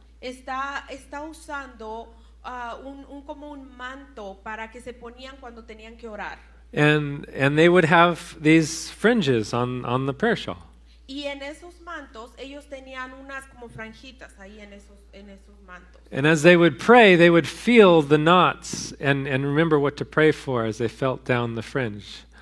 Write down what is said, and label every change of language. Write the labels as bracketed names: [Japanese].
[Spanish] Está usando un como un manto para que se ponían cuando tenían que orar. [English] And they would have these fringes on the prayer shawl. [Spanish] Y en esos mantos ellos tenían unas como franjitas ahí en esos mantos. [English] And as they would pray, they would feel the knots and remember what to pray for as they felt down the fringe.